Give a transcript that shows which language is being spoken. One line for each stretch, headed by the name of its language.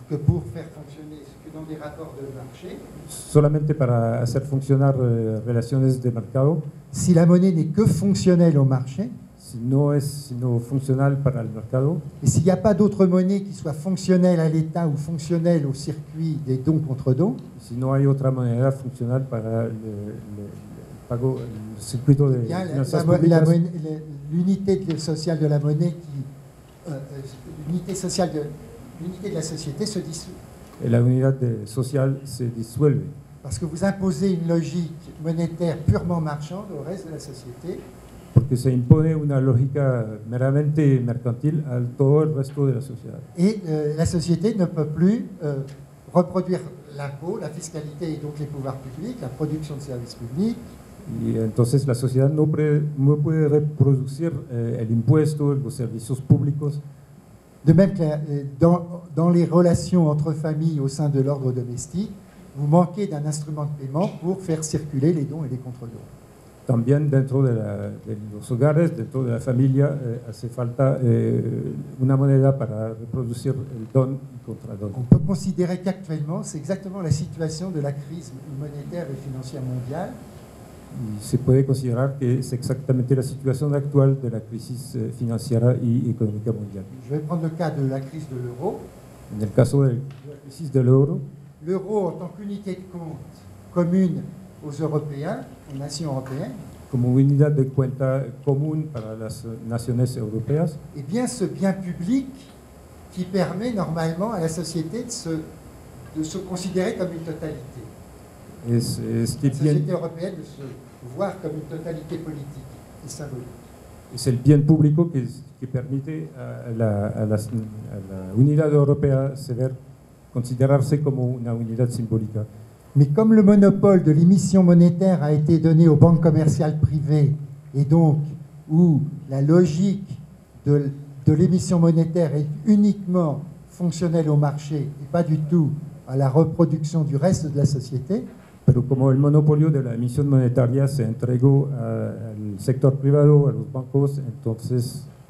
French: Que pour faire fonctionner... Dans des rapports de marché,
Spanish: solamente para hacer funcionar relaciones de mercado,
French: si la monnaie n'est que fonctionnelle au marché,
Spanish: sino funcional para el mercado,
French: et s'il n'y a pas d'autre monnaie qui soit fonctionnelle à l'État ou fonctionnelle au circuit des dons contre dons,
Spanish: si no hay otra moneda funcional para el pago, el circuito de finanzas públicas,
French: l'unité sociale de la monnaie qui. L'unité de la société se dissout. Et
Spanish: la unidad sociale se disuelve.
French: Parce que vous imposez une logique monétaire purement marchande au reste de la société.
Spanish: Porque se impone una lógica meramente mercantil al todo el resto de la sociedad.
French: Et la société ne peut plus reproduire l'impôt, la fiscalité et donc les pouvoirs publics, la production de services publics.
Spanish: Y entonces la sociedad no puede reproducir el impuesto, los servicios públicos.
French: De même que dans les relations entre familles au sein de l'ordre domestique, vous manquez d'un instrument de paiement pour faire circuler les dons et les contre-dons.
Spanish: También dentro de los hogares, dentro de la familia, hace falta una moneda para reproducir el don y contre-don.
French: On peut considérer qu'actuellement, c'est exactement la situation de la crise monétaire et financière mondiale.
Spanish: Y se puede considerar que es exactamente la situación actual de la crisis financiera y económica mundial.
French: Je vais prendre le cas de la crise de l'euro.
Spanish: En el caso de la crisis de l'euro.
French: L'euro en tant qu'unité de compte commune aux Européens, aux nations européennes.
Spanish: Como unidad de cuenta común para las naciones europeas.
French: Et bien ce bien public qui permet normalement à la société de se considérer comme une totalité. La société européenne de se voir comme une totalité politique et symbolique. C'est le
Spanish: bien público que permite a la unidad europea considerarse como una unidad simbólica.
French: Mais comme le monopole de l'émission monétaire a été donné aux banques commerciales privées, et donc où la logique de l'émission monétaire est uniquement fonctionnelle au marché et pas du tout à la reproduction du reste de la société,
Spanish: pero como el monopolio de la emisión monetaria se entregó al sector privado, a los bancos, entonces...